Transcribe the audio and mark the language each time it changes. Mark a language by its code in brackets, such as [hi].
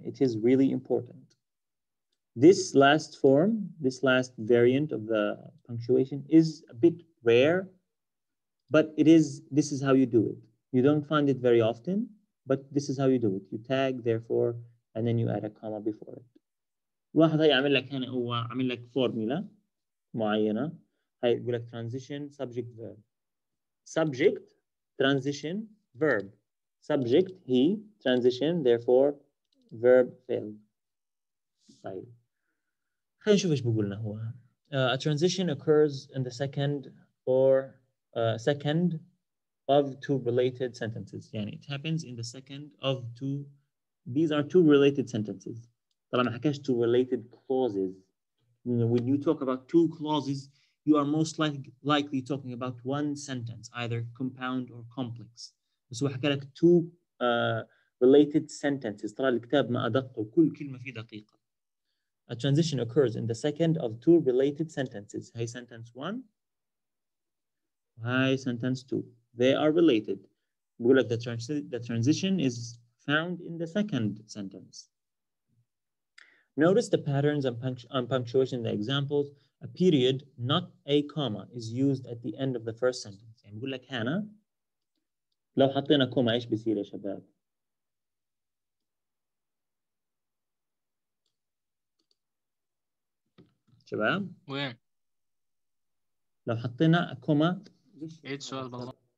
[en] It is really important. This last form, this last variant of the punctuation is a bit rare, but it is, this is how you do it. You don't find it very often, but this is how you do it. You tag, therefore, and then you add a comma before it. [ar] واحد هاي عمل لك هنا هو عمل لك فورميلا معينة. هاي يقول لك [en] transition, subject, verb. Subject, transition, verb. Subject, he, transition, therefore, verb, failed. طيب. [ar] خلينا نشوف ايش بيقولنا هو. [en] A transition occurs in the second or second of two related sentences. يعني it happens in the second of two. These are two related sentences. [ar] طبعا ما حكاش [en] two related clauses. You know, when you talk about two clauses, you are most likely talking about one sentence, either compound or complex. [ar] بس هو حكى لك [en] two related sentences. [ar] طلع الكتاب ما أدقه وكل كلمة فيه دقيقة. [en] A transition occurs in the second of two related sentences. هاي sentence one. هاي sentence two. They are related. [ar] بقول لك [en] the transition is found in the second sentence. Notice the patterns and punctuation in the examples. A period, not a comma, is used at the end of the first sentence. [ar] بقول لك هنا لو حطينا كوما ايش بيصير يا شباب؟ شباب وين لو حطينا كوما ايش سؤال